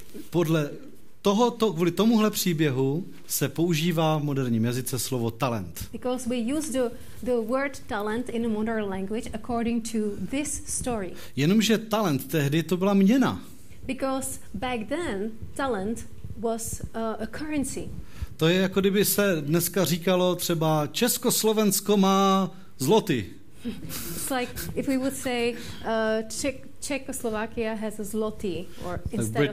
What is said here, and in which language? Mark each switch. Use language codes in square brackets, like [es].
[cs] Podle tohoto, kvůli tomuhle příběhu se používá v moderním jazyce slovo talent. [en] Because we use the word talent in a modern language according to this story. [cs] Jenomže talent tehdy to byla měna. [en] Because back then talent was a currency. [cs] To je jako kdyby se dneska říkalo třeba Československo má zloty. [en] It's like if we would say Czechoslovakia has a zloty or instead like